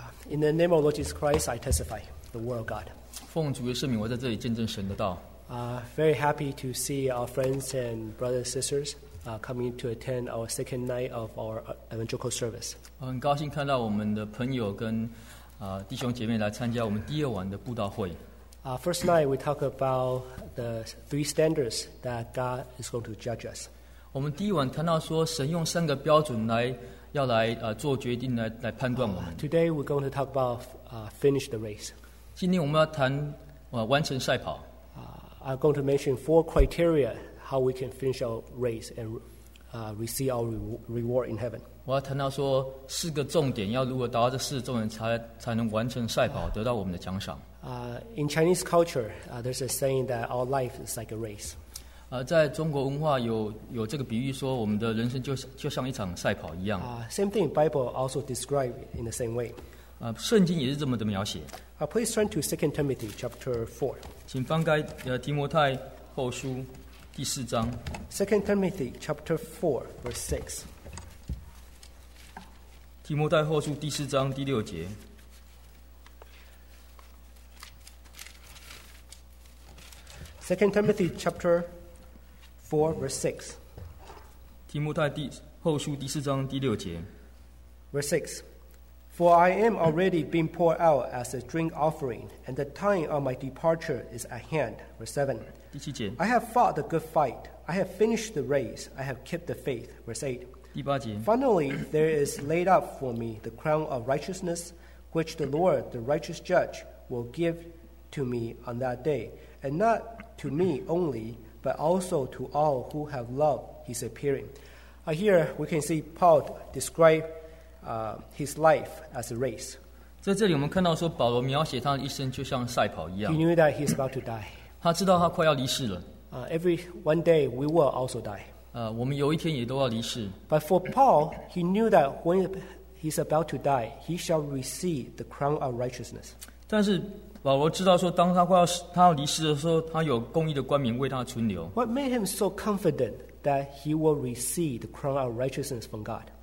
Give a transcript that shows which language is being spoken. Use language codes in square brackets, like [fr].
[en] In the name of Lord Jesus Christ, I testify the word of God. [zh] 奉主耶稣名，我在这里见证神的道。 [en] Very happy to see our friends and brothers and sisters coming to attend our second night of our evangelical service. [zh] 很高兴看到我们的朋友跟弟兄姐妹来参加我们第二晚的布道会。 [en] First night, we talk about the three standards that God is going to judge us. [zh] 我们第一晚谈到说，神用三个标准来要来做决定来判断我们。 [en] Today we're going to talk about finish the race. [zh] 今天我们要谈完成赛跑。 [en] I'm going to mention four criteria how we can finish our race and receive our reward in heaven. [zh] 我要谈到说四个重点，要如何达到这四个重点才能完成赛跑，得到我们的奖赏。 [en] In Chinese culture, there's a saying that our life is like a race. [zh] 在中国文化有这个比喻说，我们的人生就像一场赛跑一样。 [en] Same thing, Bible also describes in the same way. [zh] 圣经也是这么的描写。 [en] Please turn to 2 Timothy chapter 4. [zh] 请翻开提摩太后书第四章。 [en] 2 Timothy chapter 4, verse 6. [zh] 提摩太后书第四章第六节。 [en] 2 Timothy chapter 4, verse 6. [zh] 提摩太后书第四章第六节。 [en] Verse 6. For I am already being poured out as a drink offering, and the time of my departure is at hand. Verse 7. [zh] 第七节。 [en] I have fought the good fight. I have finished the race. I have kept the faith. Verse 8. [zh] 第八节。 [en] Finally, there is laid up for me the crown of righteousness, which the Lord, the righteous judge, will give to me on that day. And not to me only, but also to all who have loved his appearing. Here we can see Paul describe his life as a race. [zh] 在这里我们看到说保罗描写他的一生就像赛跑一样。 [en] He knew that he's about to die. [zh] 他知道他快要离世了。 [en] Every one day we will also die. [zh] 我们有一天也都要离世。 [en] But for Paul, he knew that when he's about to die, he shall receive the crown of righteousness. [zh] 但是保罗知道说当他要离世的时候，他有公义的冠冕为他存留。 [en] What made him so confident that he will receive the crown of righteousness from God?